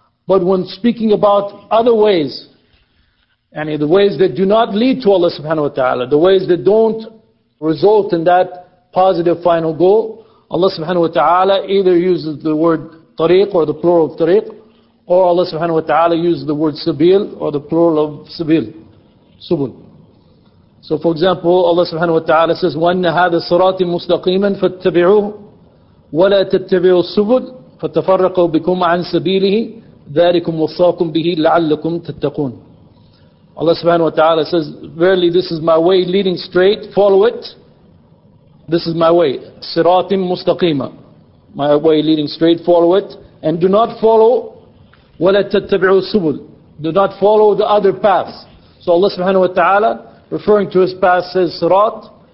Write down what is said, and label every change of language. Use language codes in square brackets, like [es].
[en] But when speaking about other ways, and the ways that do not lead to Allah subhanahu wa ta'ala, the ways that don't result in that positive final goal, Allah subhanahu wa ta'ala either uses the word tariq or the plural of tariq, or Allah subhanahu wa ta'ala uses the word sabil or the plural of sabil. Subul. So for example, Allah subhanahu wa ta'ala says, [ar] وَأَنَّ هَذَا صِرَاطِ مُسْتَقِيمًا فَاتَّبِعُوهُ وَلَا تَتَّبِعُوا السُّبُلَ فَتَفَرَّقُوا بِكُمْ عَنْ سَبِيلِهِ ذَلِكُمْ وَصَّاكُمْ بِهِ لَعَلَّكُمْ تَتَّقُونَ. [en] Allah subhanahu wa ta'ala says, verily this is my way leading straight, follow it. This is my way, siratim mustaqima. My way leading straight, follow it. And do not follow, [ar] وَلَا تَتَّبِعُوا السُّبُلْ. [en] Do not follow the other paths. So Allah subhanahu wa ta'ala, referring to his path, says sirat.